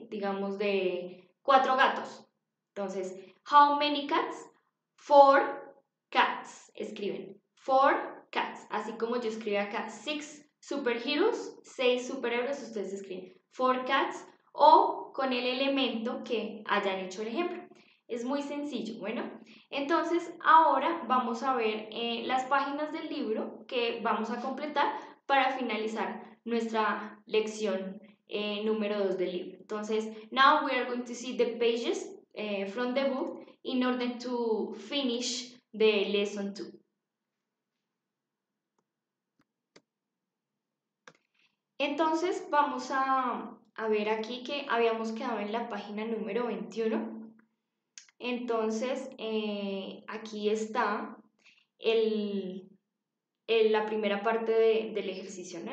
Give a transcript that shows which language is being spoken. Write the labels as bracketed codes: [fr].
[es] Digamos de cuatro gatos, entonces, [en] how many cats, four cats, [es] escriben, [en] four cats, [es] así como yo escribí acá, [en] six superheroes, [es] seis superhéroes, ustedes escriben, [en] four cats, [es] o con el elemento que hayan hecho el ejemplo. Es muy sencillo, bueno. Entonces, ahora vamos a ver las páginas del libro que vamos a completar para finalizar nuestra lección número 2 del libro. [en] Entonces, now we are going to see the pages from the book in order to finish the lesson 2. [es] Entonces, vamos a ver aquí que habíamos quedado en la página número 21. Entonces, aquí está la primera parte del ejercicio, ¿no?